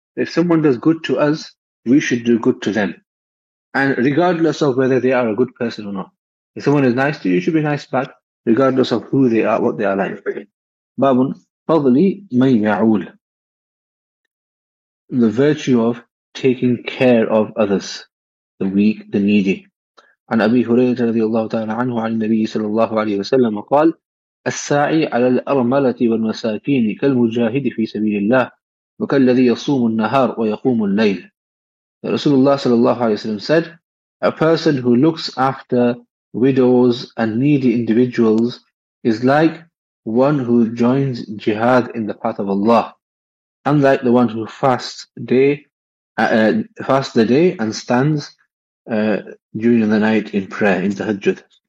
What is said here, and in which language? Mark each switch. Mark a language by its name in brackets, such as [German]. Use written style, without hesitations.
[English] If someone does good to us, we should do good to them. And regardless of whether they are a good person or not. If someone is nice to you, you should be nice back, regardless of who they are, what they are like. [Arabic] Babun, fadli man ya'ul. [English] The virtue of taking care of others, the weak, the needy. [Arabic] And Abi Hurayrah radiallahu ta'ala anhu, an Nabi sallallahu alayhi wa sallam, qal, الساعي على الأرملة والمساكين كالمجاهد في سبيل الله وكالذي يصوم النهار ويقوم الليل. [English] رسول الله صلى الله عليه وسلم said, a person who looks after widows and needy individuals is like one who joins jihad in the path of Allah, unlike the one who fasts the day and stands during the night in prayer, in tahajjud.